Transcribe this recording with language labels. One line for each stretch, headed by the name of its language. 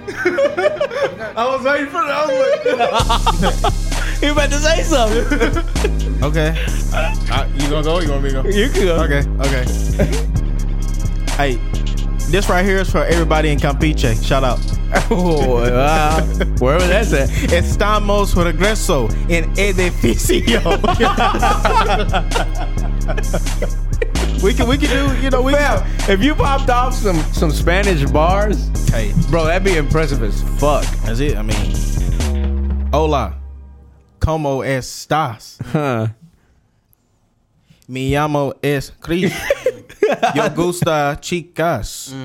English: I was waiting for that. Like, you about to say something. Okay. You gonna go or you want me to go? You can go. Okay. Hey. This right here is for everybody in Campeche. Shout out. Where was that at?
Spanish: Estamos regreso en edificio.
English: If you popped off some Spanish bars, hey, bro, that'd be impressive as fuck. That's it. I mean,
Spanish: hola, ¿cómo estás? Me llamo es Chris. Yo gusta chicas.